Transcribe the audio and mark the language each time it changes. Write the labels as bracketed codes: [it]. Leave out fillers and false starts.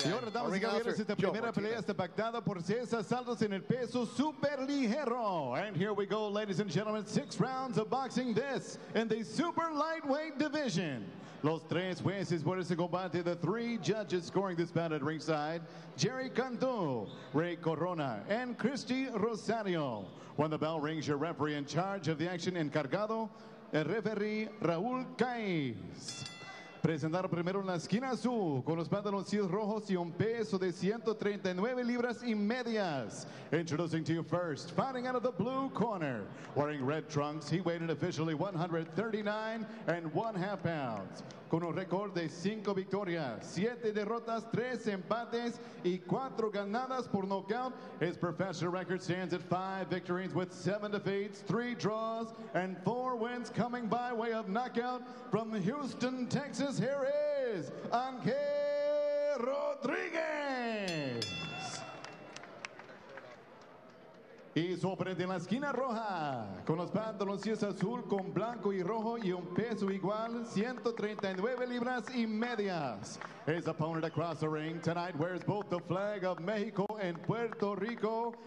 [es] Señor, damas y caballeros, esta primera pelea está pactada por 6 asaltos en el peso superligero. [en] And here we go, ladies and gentlemen, 6 rounds of boxing, this in the super lightweight division. [es] Los tres jueces por ese combate, [en] the 3 judges scoring this bout at ringside, Jerry Cantu, Ray Corona, and Christy Rosario. When the bell rings, your referee in charge of the action, [es] encargado, el referee [en] Raúl Caiz. [es] Presentar primero en la esquina azul, con los pantaloncillos rojos y un peso de 139 libras y medias. [en] Introducing to you first, fighting out of the blue corner. Wearing red trunks, he weighed in officially 139.5 pounds. [es] Con un récord de 5 victorias, 7 derrotas, 3 empates y 4 ganadas por knockout. [en] His professional record stands at 5 victories with 7 defeats, 3 draws, and 4 wins coming by way of knockout from Houston, Texas. Here is Angel Rodriguez. [es] Y su oponente en la esquina roja, con los pantaloncillos azul con blanco y rojo y un peso igual, 139 libras y medias. [en] His opponent across the ring tonight wears both the flag of Mexico and Puerto Rico.